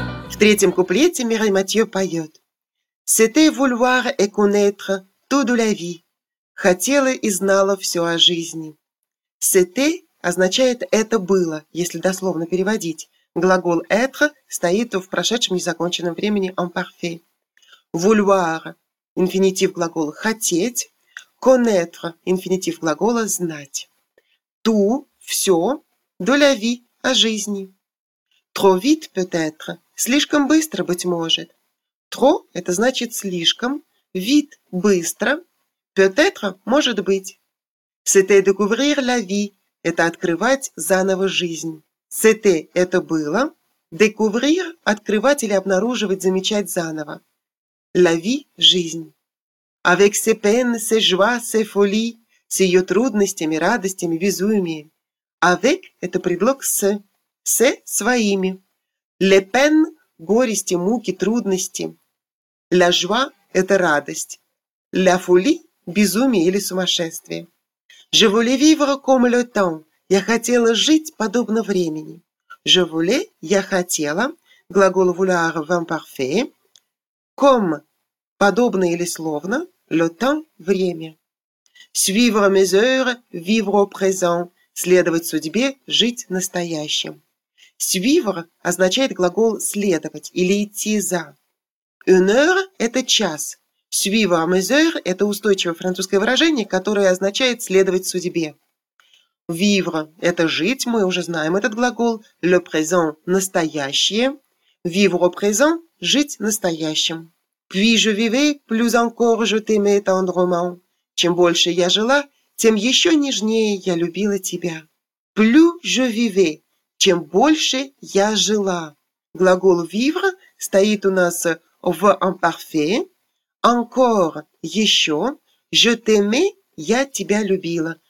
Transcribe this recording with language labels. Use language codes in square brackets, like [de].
[ru] В третьем куплете Мирей Матье поет. [fr] C'était vouloir et connaître tout de la vie. [ru] Хотела и знала все о жизни. C'était означает «это было», если дословно переводить. Глагол être стоит в прошедшем незаконченном времени en parfait. Vouloir – инфинитив глагола «хотеть». Connaître – инфинитив глагола «знать». Tout – все, de la vie – о жизни. [fr] Trop vite peut-être [ru] – слишком быстро, быть может. Trop – это значит слишком. Vite – быстро. Peut-être – может быть. [fr] C'était découvrir la vie [ru] – это открывать заново жизнь. C'était – это было. Découvrir – открывать или обнаруживать, замечать заново. [fr] La vie – жизнь. Avec ses peines, ses joies, ses folies – [ru] с ее трудностями, радостями, безумием. Avec – это предлог с. С – своими. Les peines – горести, муки, трудности. La joie – это радость. La folie – безумие или сумасшествие. [fr] Je voulais vivre comme le temps. [ru] Я хотела жить подобно времени. Je voulais – я хотела. Глагол vouloir в imparfait. Comme – подобно или словно. [fr] Le temps – [ru] время. [fr] Suivre mes heures – vivre au présent. [ru] Следовать судьбе – жить настоящим. Suivre – означает глагол следовать или идти за. Une heure – это час. Suivre à mesure – это устойчивое французское выражение, которое означает следовать судьбе. Vivre – это жить, мы уже знаем этот глагол. Le présent – настоящее. [fr] Vivre au présent [ru] – жить настоящим. [fr] Puis je vivais, plus encore je t'aimais tendrement. [ru] Чем больше я жила, тем еще нежнее я любила тебя. [fr] Plus je vivais [ru] – чем больше я жила. Глагол vivre стоит у нас в imparfait, encore – еще, [fr] je t'aimais [ru] – я тебя любила.